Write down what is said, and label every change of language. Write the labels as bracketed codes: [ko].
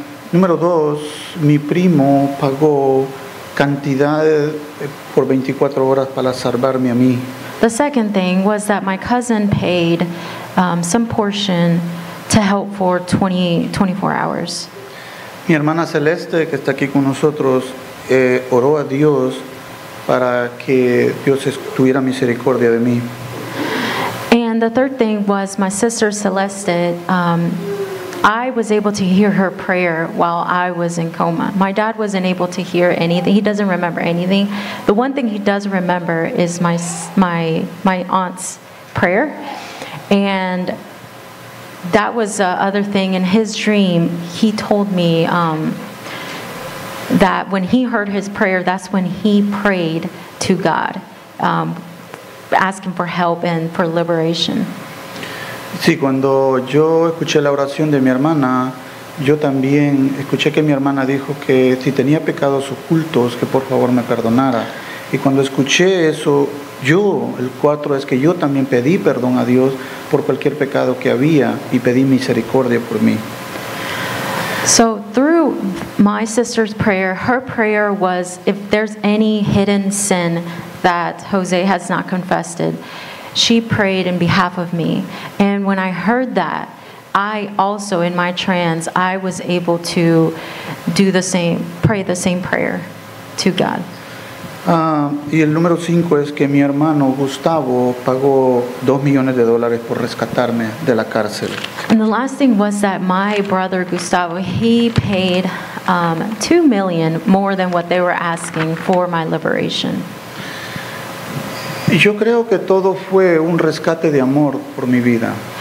[es] Número dos, mi primo pagó cantidad por 24 horas para salvarme a mí. [en] The second thing was that my cousin paid some portion to help for 24 hours. [es] Mi hermana Celeste, que está aquí con nosotros, oró a Dios para que Dios tuviera misericordia de mí. [en] And the third thing was my sister Celeste. I was able to hear her prayer while I was in coma. My dad wasn't able to hear anything. He doesn't remember anything. The one thing he does remember is my aunt's prayer. And that was the other thing. In his dream, he told me that when he heard his prayer, that's when he prayed to God, asking for help and for liberation. [es] Sí, cuando yo escuché la oración de mi hermana, yo también escuché que mi hermana dijo que si tenía pecados ocultos, que por favor me perdonara. Y cuando escuché eso, yo, el cuatro, es que yo también pedí perdón a Dios por cualquier pecado que había y pedí misericordia por mí. [en] So through my sister's prayer, her prayer was, if there's any hidden sin that Jose has not confessed, she prayed in behalf of me. And when I heard that, I also, in my trance, I was able to do the same, pray the same prayer to God. [es] Y el número cinco es que mi hermano Gustavo pagó $2,000,000 por rescatarme de la cárcel. [en] And the last thing was that my brother Gustavo, he paid $2,000,000 more than what they were asking for my liberation. [es] Y yo creo que todo fue un rescate de amor por mi vida.